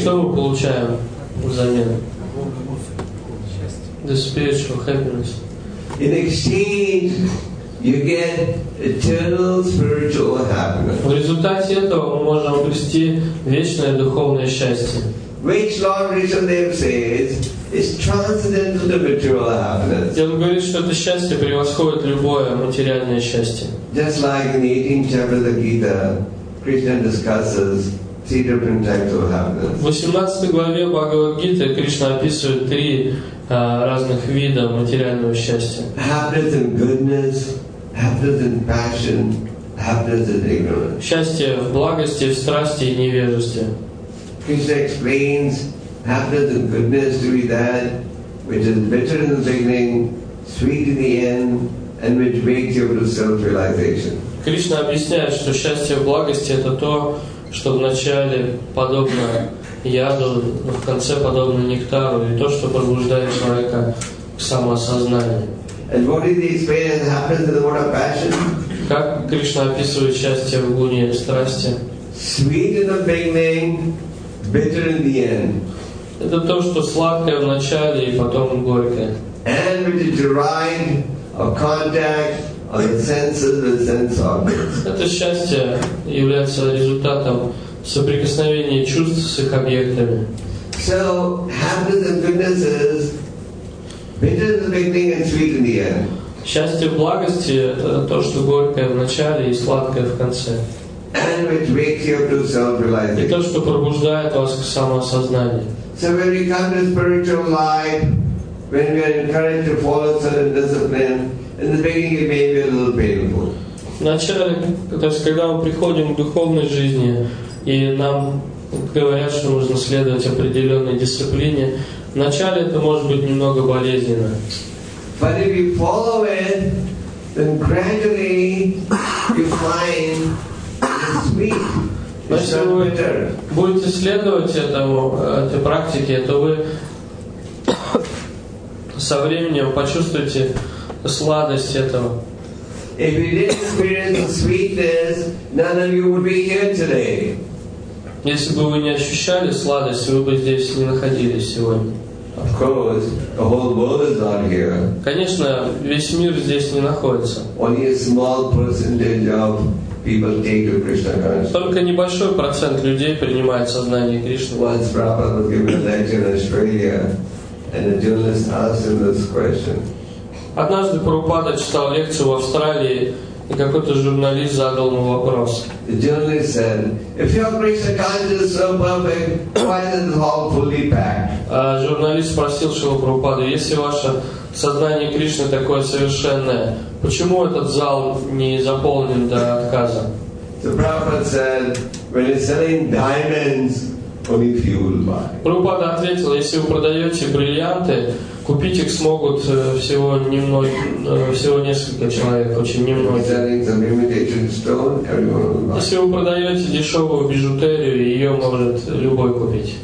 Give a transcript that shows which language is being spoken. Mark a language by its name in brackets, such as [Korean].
[Russian] Что мы получаем взамен? [English] The spiritual happiness. In exchange, you get eternal spiritual happiness. [Russian] В результате этого мы можем обрести вечное духовное счастье. [English] Which Lord Rishabdev says is transcendental to material happiness. [Russian] И он говорит, что это счастье превосходит любое материальное счастье. [English] Just like in the 18th chapter of the Gita, Krishna discusses three different types of happiness. [Russian] В 18 главе Бхагавад-гиты Кришна описывает три разных вида материального счастья. [English] Happiness and goodness. Happiness in passion, happiness in ignorance. [Russian] Счастье в благости, в страсти и невежестве. [English] Krishna explains happiness and goodness to be that which is bitter in the beginning, sweet in the end, and which makes you to self-realization. [Russian] Кришна объясняет, что счастье в благости это то, что в начале подобно яду, но в конце подобно нектару, и то, что пробуждает человека к самоосознанию. [English] And what is the experience that happens in the mode of passion? [Russian] Как Кришна описывает счастье в гуне страсти? [English] Sweet in the beginning, bitter in the end. [Russian] Это то, что сладкое в начале и потом горькое. [English] And which is derived of contact of the senses and sense objects. [Russian] Это счастье является результатом соприкосновения чувств с их объектами. [English] So happiness and goodness is bitter in the beginning and sweet in the end. [Russian] Счастье в благости это то, что горькое в начале и сладкое в конце. [English] And which wakes you up to self-realization. [Russian] И то, что пробуждает вас к самоосознанию. [English] So when we come to spiritual life, when we are encouraged to follow certain discipline, in the beginning it may be a little painful. [Russian] В начале, то есть когда мы приходим к духовной жизни и нам говорят, что нужно следовать определенной дисциплине, вначале это может быть немного болезненно. [English] But if you follow it, then gradually you find it sweet. [Russian] Но если вы будете следовать этому, этой практике, то вы со временем почувствуете сладость этого. [English] If you didn't experience the sweetness, none of you would be here today. [Russian] Если бы вы не ощущали сладость, вы бы здесь не находились сегодня. [English] Of course, the whole world is not here. [Russian] Конечно, весь мир здесь не находится. [English] Only a small percentage of people take to Krishna consciousness. [Russian] Только небольшой процент людей принимает сознание Кришны. [English] Once Prabhupada was giving a lecture in Australia, and a journalist asked him this question. [Russian] Однажды Прабхупада читал лекцию в Австралии, и какой-то журналист задал ему вопрос. [English] The journalist said, if your Krishna consciousness is so perfect, why isn't it all fully packed? [Russian] Журналист спросил Шрилу Прабхупаду, если ваше сознание Кришны такое совершенное, почему этот зал не заполнен до отказа? [English] The Prabhupada said, when you're selling diamonds, only few will buy. [Russian] Прабхупада ответил, если вы продаете бриллианты, купить их смогут всего несколько человек, очень немногие. Если вы продаете дешевую бижутерию, ее может любой купить.